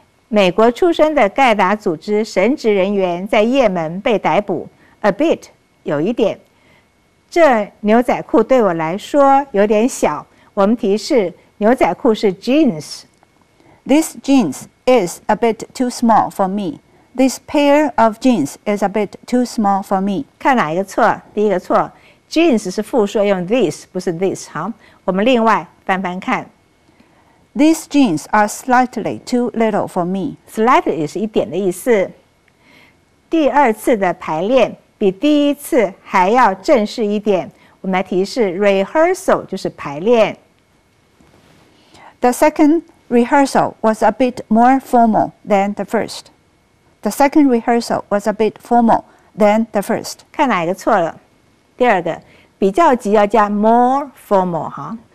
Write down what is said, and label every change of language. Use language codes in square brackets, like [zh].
[zh] 美国出生的盖达组织神职人员在也门被逮捕。 [en] A bit, [zh] 有一点。这牛仔裤对我来说有点小。我们提示牛仔裤是 jeans. [en] This jeans is a bit too small for me. This pair of jeans is a bit too small for me. [zh] 看哪一个错？第一个错。Jeans 是复数，用 this 不是 this。好，我们另外翻翻看。 [en] These jeans are slightly too little for me. [zh] Slightly 是一点的意思。第二次的排练比第一次还要正式一点。我们来提示 rehearsal 就是排练。 [en] The second rehearsal was a bit more formal than the first. The second rehearsal was a bit formal than the first. [zh] 看哪一个错了？第二个，比较级要加 [en] more formal [zh] 哈。